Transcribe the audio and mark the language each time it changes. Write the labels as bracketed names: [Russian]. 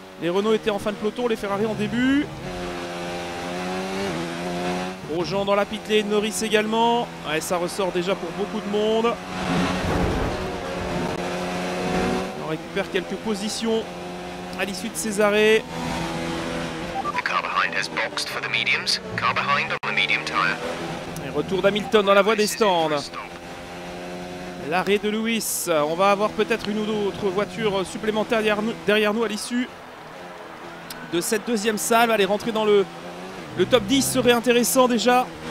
[French] Les Renault étaient en fin de peloton, les Ferrari en début. Grosjean dans la pit lane, Norris également. Ouais, ça ressort déjà pour beaucoup de monde. On récupère quelques positions à l'issue de ces arrêts. [English] The car behind has boxed for the mediums. Car behind on the medium tire. [French] Et retour d'Hamilton dans la voie des stands. L'arrêt de Lewis. On va avoir peut-être une ou d'autres voitures supplémentaires derrière nous à l'issue de cette deuxième salle. Allez, rentrer dans le top 10 serait intéressant déjà.